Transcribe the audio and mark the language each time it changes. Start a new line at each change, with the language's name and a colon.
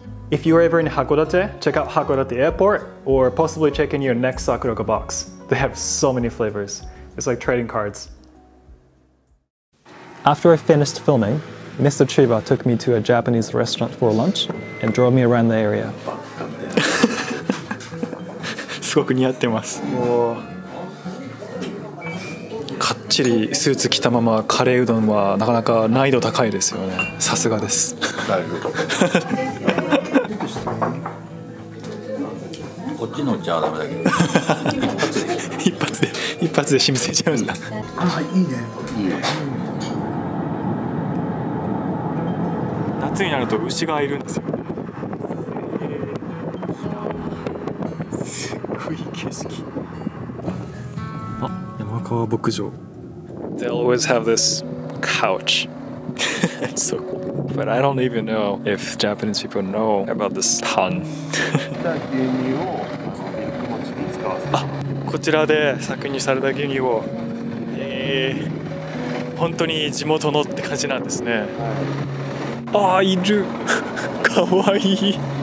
English: If you're ever in Hakodate, check out Hakodate Airport or possibly check in your next Sakuroka box. They have so many flavors. It's like trading cards. After I finished filming, Mr. Chiba took me to a Japanese restaurant for lunch and drove me around the area.
Japanese: すごく似合ってます。もうかっちりスーツ着たままカレーうどんはなかなか難易度高いですよね。さすがです。なるほど。こっちのチャーダメだけど。一発で染みついちゃうんだ。あ、いいね。夏になると牛がいるんですよ。牧場。
English: They always have this couch. It's so cool. But I don't even know if Japanese people know about this pun.
Japanese: こちらで搾乳された牛乳を、本当に地元のって感じなんですね。あ、いる。かわいい。